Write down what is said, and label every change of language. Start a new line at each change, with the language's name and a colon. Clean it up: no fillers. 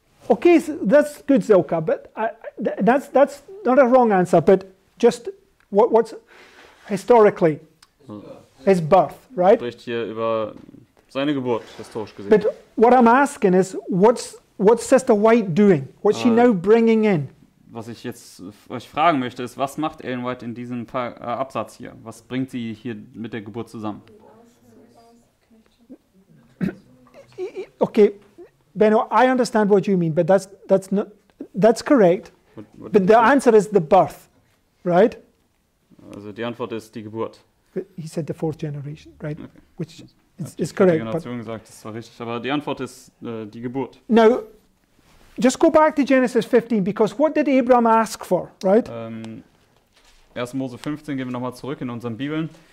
English: Okay, so that's good, Zilka, but that's not a wrong answer, but just what's historically his birth, right?
German: Spricht hier über seine Geburt, historisch gesehen.
English: But what I'm asking is, what's Sister White doing? What's she now bringing in?
German: Was ich jetzt euch fragen möchte, ist, was macht Ellen White in diesem Absatz hier? Was bringt sie hier mit der Geburt zusammen?
English: Okay. Benno, I understand what you mean, but that's correct. But the answer is the birth, right?
German: Also die Antwort ist die Geburt.
English: He said the fourth generation, right? Okay. Which is correct.
German: Die Generation gesagt, das war richtig, aber die Antwort ist die Geburt.
English: Now, just go back to Genesis 15, because what did Abraham ask for, right?
German: 1. Mose 15, gehen wir nochmal zurück in unseren Bibeln.